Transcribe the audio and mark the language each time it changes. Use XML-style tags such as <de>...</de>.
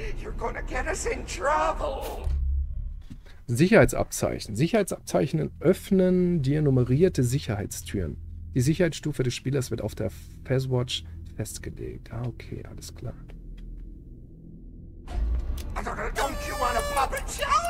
<en>You're gonna get us in trouble.</en> <de>Sicherheitsabzeichen. Sicherheitsabzeichen öffnen dir nummerierte Sicherheitstüren. Die Sicherheitsstufe des Spielers wird auf der Fazwatch festgelegt. Ah, okay, alles klar.</de> <en>Don't you want a puppet show?</en>